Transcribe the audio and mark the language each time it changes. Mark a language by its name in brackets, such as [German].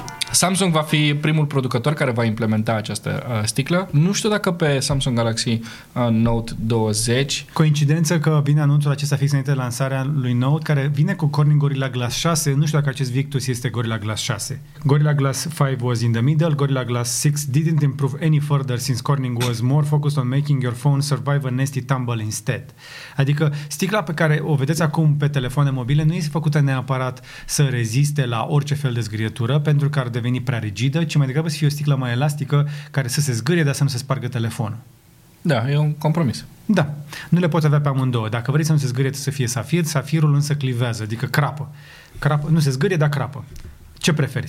[Romanian] Samsung va fi primul producător care va implementa această sticlă. Nu știu dacă pe Samsung Galaxy Note 20... Coincidență că vine anunțul acesta fix înainte de lansarea lui Note, care vine cu Corning Gorilla Glass 6. Nu știu dacă acest Victus este Gorilla Glass 6. [English] Gorilla Glass 5 was in the middle. Gorilla Glass 6 didn't improve any further since Corning was more focused on making your phone survive a nasty tumble instead. [Romanian] Adică sticla pe care o vedeți acum pe telefoane mobile nu este făcută neapărat să reziste la orice fel de zgârietură, pentru că ar deveni prea rigidă, ci mai degrabă să fie o sticlă mai elastică care să se zgârie, dar să nu se spargă telefonul. Da, e un compromis. Da. Nu le poți avea pe amândouă. Dacă vrei să nu se zgârie, să fie safir, safirul însă clivează, adică crapă. Crapă. Nu se zgârie, dar crapă. Ce preferi?